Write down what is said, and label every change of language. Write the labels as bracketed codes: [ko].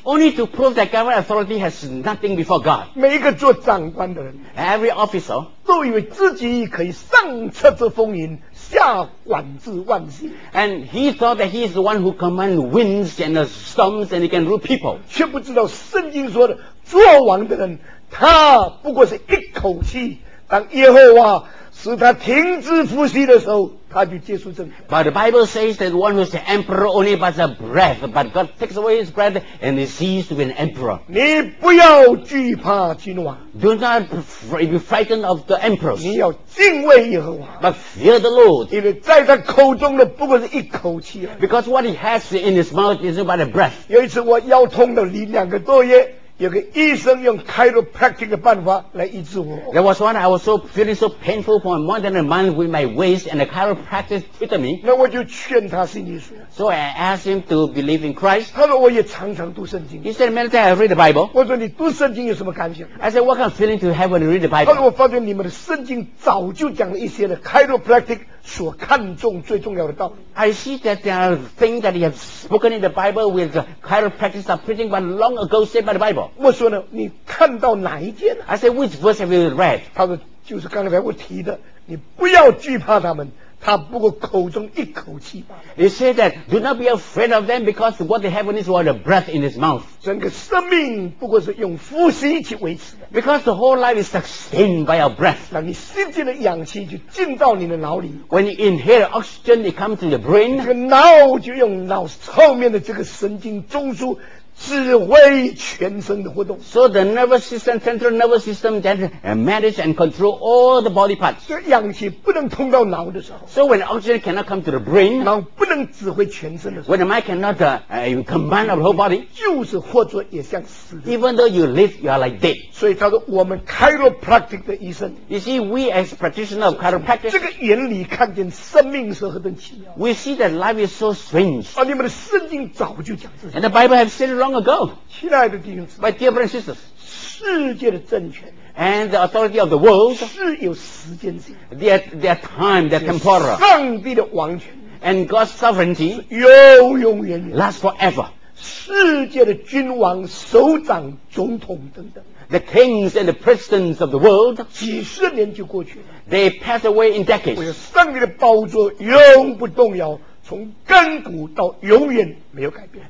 [en] Only to prove that government authority has nothing before God. [zh] 每一个做长官的人， [en] every officer, [zh] 都以为自己可以上策之风云，下管制万事。 [en] And he thought that he is the one who commands winds and the storms and he can rule people. [zh] 却不知道圣经说的，做王的人，他不过是一口气，当耶和华使他停止呼吸的时候，他就结束生命。 [en] But the Bible says that one who is the emperor only has a breath, but God takes away his breath and he ceases to be an emperor. [zh] 你不要惧怕君王。 [en] Do not be frightened of the emperors. [zh] 你要敬畏耶和华。 [en] But fear the Lord. [zh] 因为在他口中的不过是一口气。 [en] Because what he has in his mouth is but a breath. [zh] 有一次我腰痛了两个多月。有个医生用 chiropractic 的办法来医治我。 [en] There was one I was so feeling so painful for more than a month with my waist, and the chiropractic treated me. [zh] 那我就劝他信耶稣。 [en] So I asked him to believe in Christ. [zh] 他说我也常常读圣经。 [en] He said many times I read the Bible. [zh] 我说你读圣经有什么感想？ [en] I said what kind of feeling to have when you read the Bible? [zh] 他说我发觉你们的圣经早就讲了一些的 chiropractic 所看重最重要的道理。 [en] I see that there are things that you have spoken in the Bible with the chiropractic are preaching, but long ago said by the Bible. [zh] 我说呢，你看到哪一件呢？ [en] I said, which verse have you read? [zh] 他说，就是刚才我提的，你不要惧怕他们，他不过口中一口气。 [en] He said that, do not be afraid of them because what they have is what a breath in his mouth. [zh] 整个生命不过是用呼吸去维持的。 [en] Because the whole life is sustained by a breath. [zh] 让你吸进的氧气就进到你的脑里。 [en] When you inhale oxygen, it comes to the brain. [zh] 这个脑就用脑后面的这个神经中枢指挥全身的活动。 [en] So the nervous system, central nervous system that manage and control all the body parts. [zh] 所以氧气不能通到脑的时候， [en] So when oxygen cannot come to the brain, [zh] 脑不能指挥全身的时候， [en] When the mind cannot command the whole body, [zh] 就是活着也像死的。 [en] Even though you live, you are like dead. [zh] 所以他说我们 chiropractic 的医生， [en] You see, we as practitioner of chiropractic, [zh] 这个原理看见生命是何等奇妙。 [en] We see that life is so strange. [zh] 而你们的圣经早就讲这些。 [en] And the Bible has said long ago. [zh] 亲爱的弟兄姊妹， [en] My dear brothers and sisters, [zh] 世界的政权 [en] and the authority of the world [zh] 是有时间性， [en] their time, their temporal, [zh] 上帝的王权 [en] and God's sovereignty [zh] 永永远远 [en] last forever. [zh] 世界的君王、首长、总统等等， [en] the kings and the presidents of the world [zh] 几十年就过去了， [en] they pass away in decades. [zh] 我有上帝的宝座永不动摇，从根骨到永远没有改变。